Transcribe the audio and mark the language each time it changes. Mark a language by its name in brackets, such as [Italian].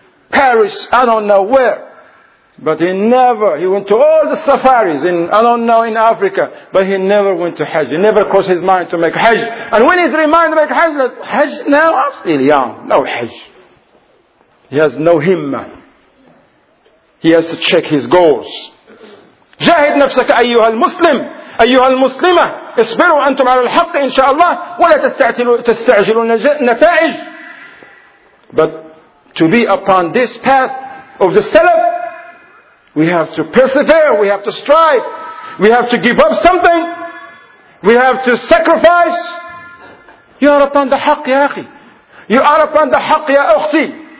[English] Paris, I don't know where. But he went to all the safaris in Africa. But he never went to hajj. He never crossed his mind to make hajj. And when he's reminded to make hajj, hajj now, I'm still young. No hajj. He has no himmah. He has to check his goals. [Arabic] جاهد نفسك أيها المسلم أيها المسلمة اصبروا أنتم على الحق إن شاء الله ولا تستعجلوا النتائج. [English] But to be upon this path of the Salaf, we have to persevere, we have to strive, we have to give up something, we have to sacrifice. You are upon the حق [Arabic] يا أخي. [English] You are upon the حق [Arabic] يا أختي.